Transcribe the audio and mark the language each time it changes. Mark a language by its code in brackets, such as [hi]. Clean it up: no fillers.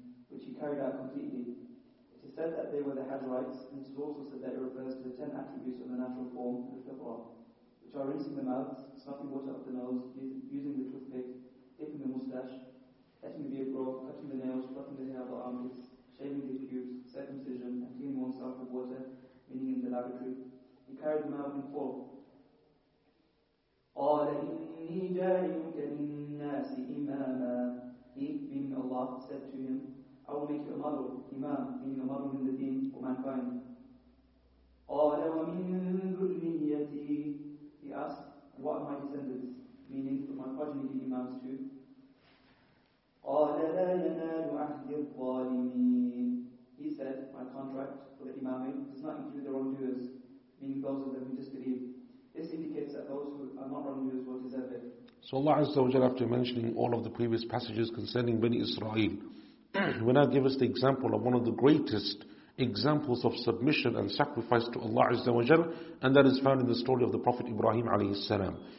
[en] Which he carried out completely. It is said that they were the Hajrites, and it is also said that it refers to the 10 attributes of the natural form, which are rinsing the mouth, snuffing water up the nose, using the toothpick, dipping the moustache, letting the beard grow, cutting the nails, plucking the hair of the armpits, shaving the pubes, circumcision, and cleaning oneself with water, meaning in the lavatory. He carried them out in full. [ar] قال إني جاريك للناس إماما. [en] He, meaning Allah, said to him, I will make you a model, imam, meaning a model in the deen for mankind. [ar] قال ومن ذريتي. [en] He asked, what are my descendants? Meaning, from my progeny, the imams too. [ar] قال لا ينال عهد الظالمين. [en] He said, my contract for the imamate does not include the wrongdoers, meaning those of them who disbelieve. This indicates that those who are not wrongdoers will deserve it. So Allah Azza wa Jalla, after mentioning all of the previous passages concerning Bani Israel, will now give us the example of one of the greatest examples of submission and sacrifice to Allah Azza wa Jal, and that is found in the story of the Prophet Ibrahim alayhi salam.